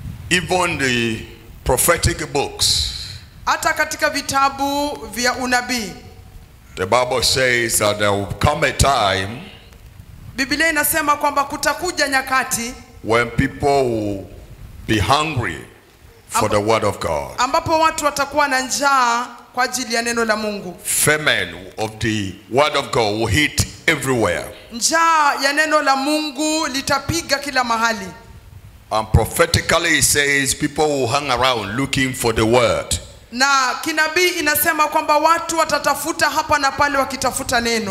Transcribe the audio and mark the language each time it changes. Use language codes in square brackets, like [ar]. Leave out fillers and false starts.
[en] Even the prophetic books. [sw] Hata katika vitabu vya unabii. [en] The Bible says that there will come a time. [sw] Biblia inasema kwamba kutakuja nyakati. [en] When people will be hungry for the word of God. [sw] Ambapo watu watakuwa na njaa kwa ajili ya neno la Mungu. [en] Famine of the word of God will hit everywhere. [sw] Njaa ya neno la Mungu litapiga kila mahali. [en] And prophetically it says people will hang around looking for the word. [sw] Na kinabii inasema kwamba watu watatafuta hapa na pale wakitafuta neno.